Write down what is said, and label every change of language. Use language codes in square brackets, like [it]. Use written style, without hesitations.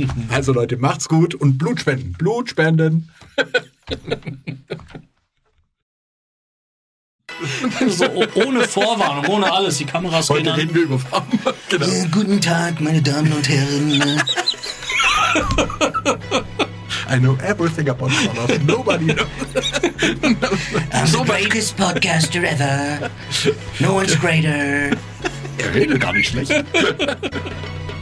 [de] Also Leute, macht's gut und Blut spenden. Blut spenden. So, ohne Vorwarnung, ohne alles, die Kameras gehen an. Heute reden wir über Farben. Genau. Guten Tag, meine Damen und Herren. [en] I know everything about Connors. Nobody knows. I'm the greatest podcaster ever. No one's greater. [de] Er redet gar nicht schlecht.